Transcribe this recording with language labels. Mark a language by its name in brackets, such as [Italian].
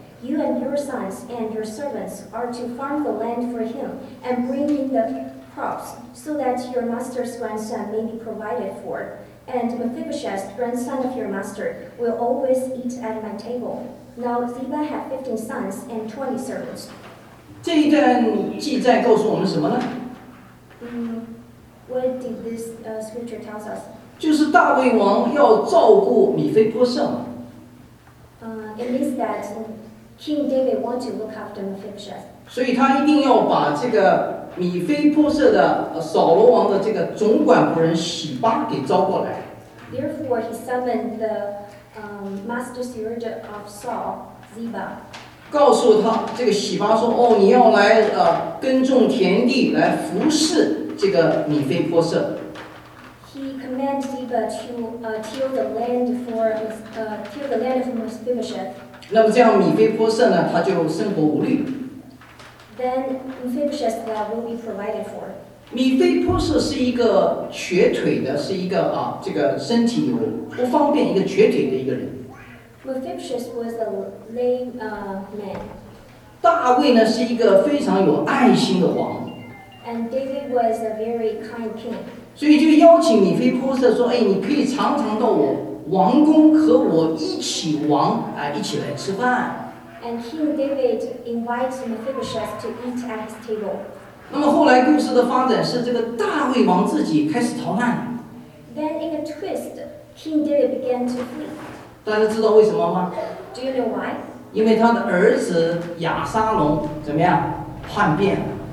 [English] You and your sons and your servants are to farm the land for him and bring in the crops so that your master's grandson may be provided for. And Mephibosheth, grandson of your master, will always eat at my table. Now Ziba had 15 sons and 20 servants. [Chinese] 这一段记载告诉我们什么呢？ [English] What did this scripture tell us? [Chinese] 就是大卫王要照顾米非波设。 [English] It means that King David wants to look after Mephibosheth. [Chinese] 所以他一定要把这个米非波设的扫罗王的这个总管仆人洗巴给招过来。 [English] Therefore, he summoned the master steward of Saul, Ziba. [Chinese] 告诉他这个洗巴说，哦，你要来耕种田地来服侍这个米非波设。 [English] He commanded Ziba to till the land for till the land of Mephibosheth. [Chinese] 那么这样米非波设呢，他就生活无虑。 [English] Then Mephibosheth will be provided for. [Chinese] 米非波设是一个瘸腿的，是一个这个身体有不方便，一个瘸腿的一个人。 [English] Mephibosheth was a lame man. [Chinese] 大卫呢是一个非常有爱心的王。 [English] And David was a very kind king. [Chinese] 所以就邀请米非波设说，哎，你可以常常到我王宫和我一起王一起来吃饭。 [English] And King David invites Mephibosheth to eat at his table. [Chinese] 那么后来故事的发展是这个大卫王自己开始逃难。 [English] Then in a twist, King David began to flee. [Chinese] 大家知道为什么吗 [English] ？Do you know why? [Chinese] 因为他的儿子亚沙龙怎么样叛变了